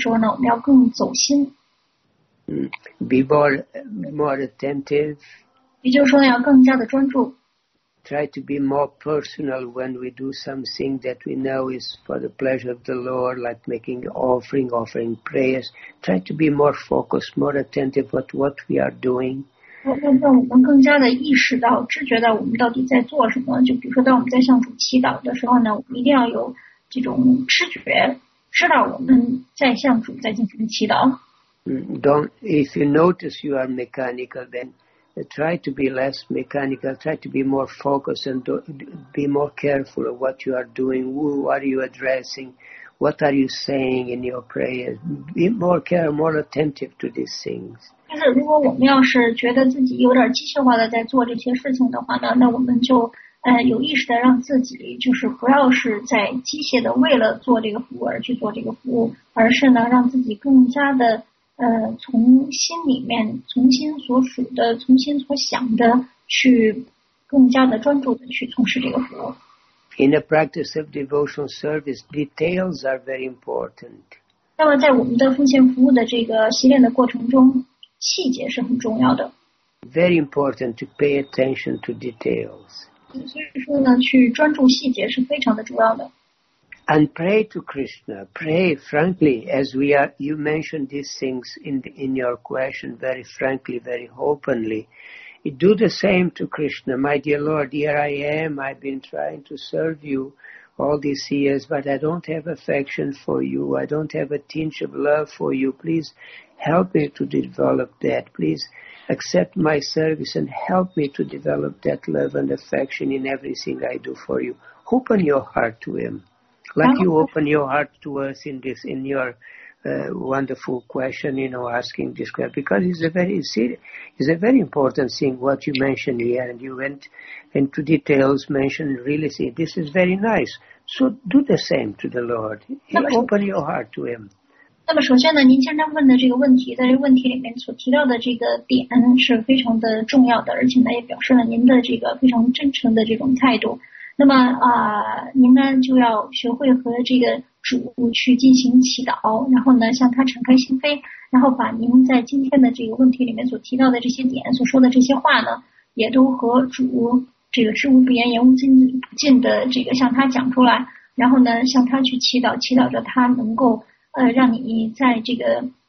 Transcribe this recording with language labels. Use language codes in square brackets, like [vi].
[zh] 那也就是说呢，当我们在这个进行我们的休息的时候呢，我们要更走心。 [en] Be more attentive. [zh] 也就是说，要更加的专注。 [en] Try to be more personal when we do something that we know is for the pleasure of the Lord, like making offering prayers. Try to be more focused, more attentive at what we are doing. [zh] 让我们更加的意识到，知觉到我们到底在做什么。就比如说，当我们在向主祈祷的时候呢，我们一定要有这种知觉，知道我们在向主在进行祈祷。 [en] Don't, if you notice you are mechanical, then try to be less mechanical, try to be more focused and be more careful of what you are doing, who are you addressing, what are you saying in your prayers. Be more careful, more attentive to these things. [zh] 但是如果我们要是觉得自己有点机械化的在做这些事情的话呢，那我们就有意识的让自己就是不要是在机械的为了做这个服务而去做这个服务，而是呢让自己更加的从心里面从心所属的从心所想的去更加的专注的去从事这个服务。 [en] In the practice of devotional service, details are very important. [zh] 那么在我们的奉献服务的这个习练的过程中，细节是很重要的。 [en] Very important to pay attention to details. [zh] 所以说呢，去专注细节是非常的重要的。 [en] And pray to Krishna. Pray frankly, as we are. You mentioned these things in your question very frankly, very openly. Do the same to Krishna. My dear Lord, here I am. I've been trying to serve you all these years, but I don't have affection for you. I don't have a tinge of love for you. Please help me to develop that. Please accept my service and help me to develop that love and affection in everything I do for you. Open your heart to him. Like you open your heart to us in your wonderful question, you know, asking this question. Because it's a very important thing what you mentioned here. And you went into details, mentioned really, see, this is very nice. So do the same to the Lord. Open your heart to him. [zh] 那么首先呢，您经常问的这个问题，在这个问题里面所提到的这个点是非常的重要的，而且呢，也表示了您的这个非常真诚的这种态度。那么您呢就要学会和这个主去进行祈祷，然后呢向他敞开心扉，然后把您在今天的这个问题里面所提到的这些点所说的这些话呢，也都和主这个知无不言言无尽的这个向他讲出来，然后呢向他去祈祷，祈祷着他能够让你在这个